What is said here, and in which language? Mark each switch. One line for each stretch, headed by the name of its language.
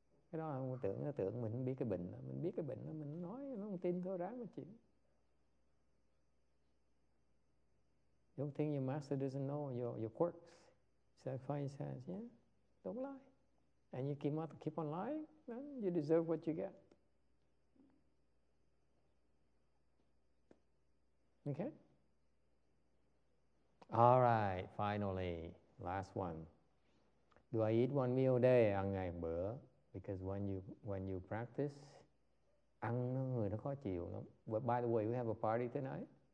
Vietnamese: Cái đó ông tưởng mình biết cái bệnh đó, mình biết cái bệnh đó, mình nói nó không tin thôi, ráng mà chịu.
English: Don't think your master doesn't know your quirks. So I find sense, yeah? Don't lie. And you keep on lying, then you deserve what you get. Okay? All right, finally, last one. Do I eat one meal a day?
Vietnamese: Ăn ngày bữa.
English: Because when you practice,
Vietnamese: ăn nó người nó khó chịu lắm.
English: But by the way, we have a party tonight.